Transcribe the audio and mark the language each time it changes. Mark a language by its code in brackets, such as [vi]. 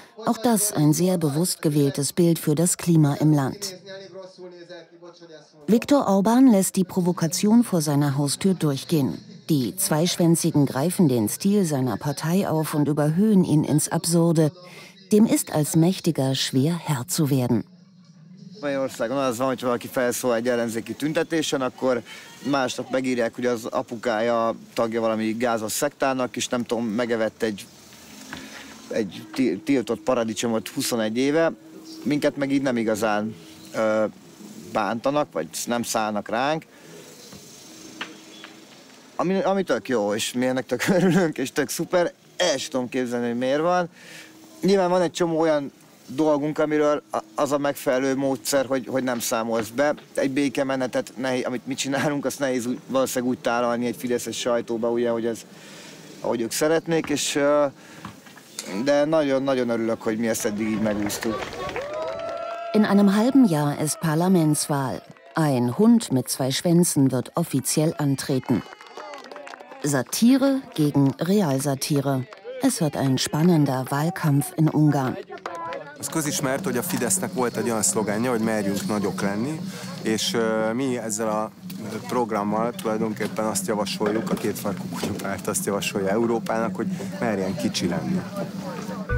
[de] Auch das ein sehr bewusst gewähltes Bild für das Klima im Land. Viktor Orbán lässt die Provokation vor seiner Haustür durchgehen. Die Zweischwänzigen greifen den Stil seiner Partei auf und überhöhen ihn ins Absurde. Dem ist als Mächtiger schwer Herr zu werden. [hu] Magyarországon az van, hogy valaki felszól egy ellenzéki tüntetésen, akkor másnap megírják, hogy az apukája tagja valami gázos szektának, és nem tudom, megevett egy tiltott paradicsomot 21 éve. Minket meg így nem igazán bántanak, vagy nem szállnak ránk. Ami tök jó, és mi ennek tök örülünk, és tök szuper, el sem tudom képzelni, hogy miért van. Nyilván van egy csomó olyan dolgunk, amiről az a megfelelő módszer, hogy nem számolsz be. Egy békemenetet, amit mi csinálunk, azt nehéz valószínűleg úgy tálalni egy fideszes sajtóba, ugye, hogy ez, ahogy ők szeretnék, és de nagyon-nagyon örülök, hogy mi ezt eddig így megúsztuk. [de] In einem halben Jahr ist Parlamentswahl. Ein Hund mit zwei Schwänzen wird offiziell antreten. Satire gegen Realsatire. Es wird ein spannender Wahlkampf in Ungarn. [hu] Ez közismert, hogy a Fidesznek volt egy olyan szlogánja, hogy merjünk nagyok lenni, és mi ezzel a programmal tulajdonképpen azt javasoljuk, a kétfarkú kutyapárt azt javasolja Európának, hogy merjen kicsi lenni.